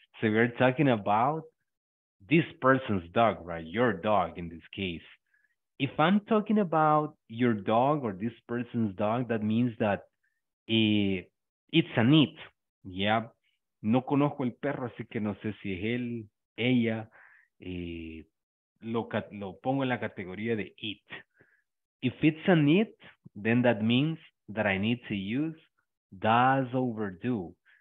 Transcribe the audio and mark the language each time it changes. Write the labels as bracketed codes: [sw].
[en] So we're talking about this person's dog, right? Your dog in this case. If I'm talking about your dog or this person's dog, that means that it's an it, yeah. [es] No conozco el perro, así que no sé si es él, ella. Lo pongo en la categoría de it. [en] If it's an it, then that means that I need to use does over do.